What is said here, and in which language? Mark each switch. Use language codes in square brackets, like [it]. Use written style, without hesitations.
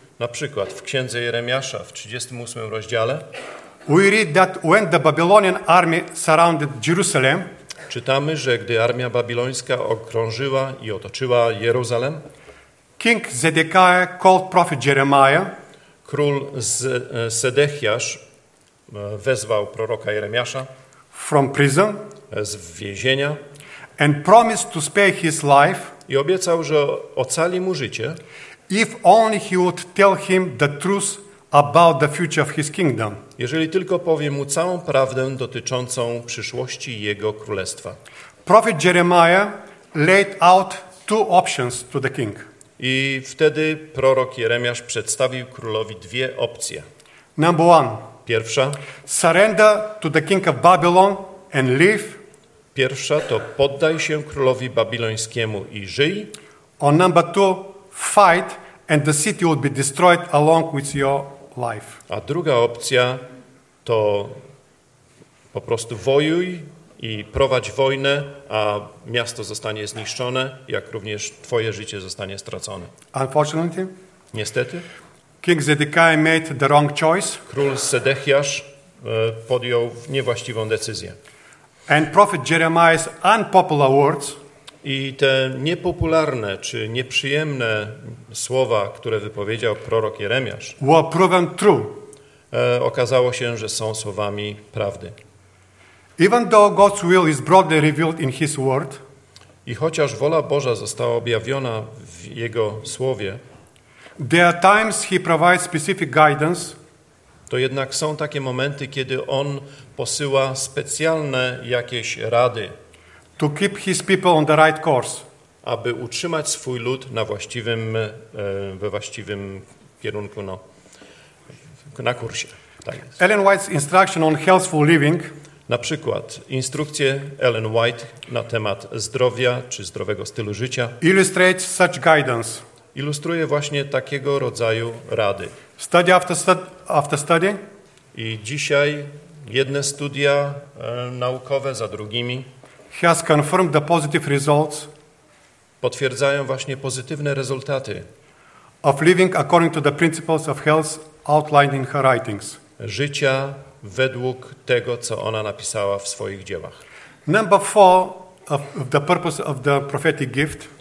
[pl] na przykład w księdze Jeremiasza w 38 rozdziale, [en] We read that when the Babylonian army surrounded Jerusalem, [pl] czytamy, że gdy armia babilońska okrążyła i otoczyła Jerozolem, [en] King Zedekiah called prophet Jeremiah, [pl] król Sedechiasz wezwał proroka Jeremiasza [en] from prison, [pl] z więzienia, [en] and promised to spare his life, [pl] i obiecał, że ocali mu życie, [en] if only he would tell him the truth about the future of his kingdom, [pl] jeżeli tylko powie mu całą prawdę dotyczącą przyszłości jego królestwa. [en] Prophet Jeremiah laid out two options to the king. [pl] I wtedy prorok Jeremiasz przedstawił królowi dwie opcje. [en] Number one. [pl] Pierwsza. [en] Surrender to the king of Babylon and live. [pl] Pierwsza to poddaj się królowi babilońskiemu i żyj. [en] Or number two, fight and the city would be destroyed along with your life. [pl] A druga opcja to po prostu wojuj i prowadź wojnę, a miasto zostanie zniszczone, jak również twoje życie zostanie stracone. [en] Unfortunately, [pl] niestety, [en] King Zedekiah made the wrong choice. [pl] Król Sedechiasz podjął niewłaściwą decyzję. [en] And prophet Jeremiah's unpopular words, [pl] i te niepopularne czy nieprzyjemne słowa, które wypowiedział prorok Jeremiasz, [en] were proven true. [pl] Okazało się, że są słowami prawdy. [en] Even though God's will is broadly revealed in his word, [pl] i chociaż wola Boża została objawiona w jego słowie, [en] there are times he provides specific guidance, [pl] to jednak są takie momenty, kiedy on posyła specjalne jakieś rady, [en] to keep his people on the right course, [pl] aby utrzymać swój lud na właściwym, we właściwym kierunku, no, na kursie. Tak jest. [en] Ellen White's instruction on healthful living, [pl] na przykład instrukcje Ellen White na temat zdrowia czy zdrowego stylu życia, [en] illustrates such guidance, [pl] ilustruje właśnie takiego rodzaju rady. [en] Study after study. [pl] I dzisiaj jedne studia naukowe za drugimi [en] has confirmed the positive results, [pl] potwierdzają właśnie pozytywne rezultaty [en] of living according to the principles of health outlined in her writings, [pl] życia według tego, co ona napisała w swoich dziełach. [en] Number four of the purpose of the prophetic gift.